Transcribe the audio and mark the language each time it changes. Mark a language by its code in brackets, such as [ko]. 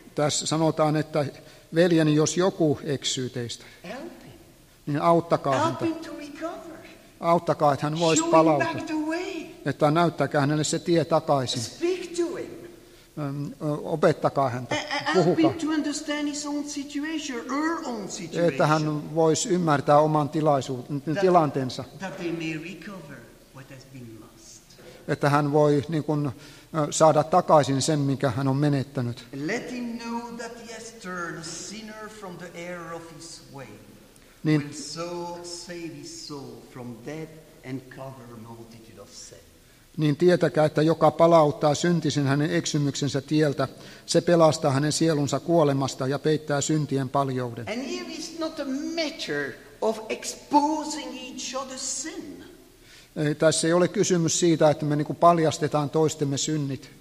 [fi] Tässä sanotaan, että veljeni, jos joku eksyy teistä, [en] help him. [fi] Niin auttakaa häntä. Auttakaa, että hän voisi palautua. Että näyttäkää hänelle se tie takaisin. [en] Speak to him. [fi] Opettakaa häntä. Puhukaa. [en] Help him to understand his own situation, her own situation. [fi] Että hän voisi ymmärtää oman tilanteensa. [en] That they may recover what has been lost. [fi] Että hän voi niin kuin saada takaisin sen, minkä hän on menettänyt. [en] Let him know that he has turned a sinner from the error of his way. [fi] Niin, [en] will so save his soul from death and cover a multitude of sin. [fi] Niin tietäkää, että joka palauttaa syntisen hänen eksymyksensä tieltä, se pelastaa hänen sielunsa kuolemasta ja peittää syntien paljouden. [en] And here is not a matter of exposing each other's sin. [fi] Ei, tässä ei ole kysymys siitä, että me niinku paljastetaan toistemme synnit.